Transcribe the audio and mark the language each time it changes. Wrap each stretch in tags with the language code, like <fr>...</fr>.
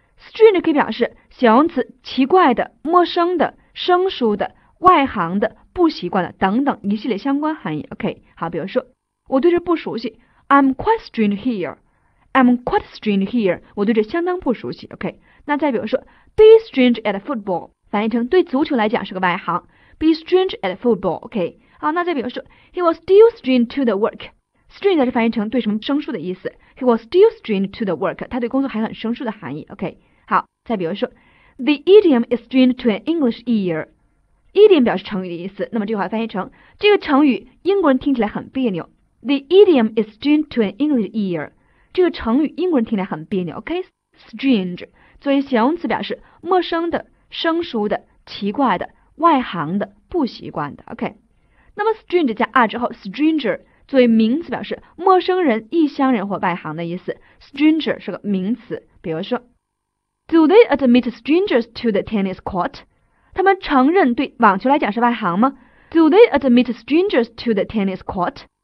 <zh>Strange 可以表示形容词奇怪的、陌生的、生疏的、外行的、不习惯的等等一系列相关含义。OK, 好，比如说我对这不熟悉。</zh> <en>I'm quite strange here. I'm quite strange here.</en> <zh>我对这相当不熟悉。OK, 那再比如说</zh> <en>be strange at football.</en> <zh>翻译成对足球来讲是个外行。</zh> <en>Be strange at football. OK.</en> <zh>好，那再比如说</zh> <en>He was still strange to the work.</en> <zh>Strange 在这翻译成对什么生疏的意思，</zh> <en>He was still strange to the work.</en> <zh>他对工作还很生疏的含义， OK. 好，再比如说</zh> <en>The idiom is strange to an English ear.</en> <zh>Idiom 表示成语的意思，那么这句话翻译成这个成语英国人听起来很别扭，</zh> <en>The idiom is strange to an English ear.</en> <zh>这个成语英国人听起来很别扭， OK. Strange 作为形容词表示陌生的、生疏的、奇怪的、外行的、不习惯的， OK. 那么 strange 加 r 之后 stranger 作为名词表示陌生人、异乡人或外行的意思， stranger 是个名词。比如说</zh> <en>Do they admit strangers to the tennis court?</en> <zh>他们承认对网球来讲是外行吗？</zh> <en>Do they admit strangers to the tennis court?</en>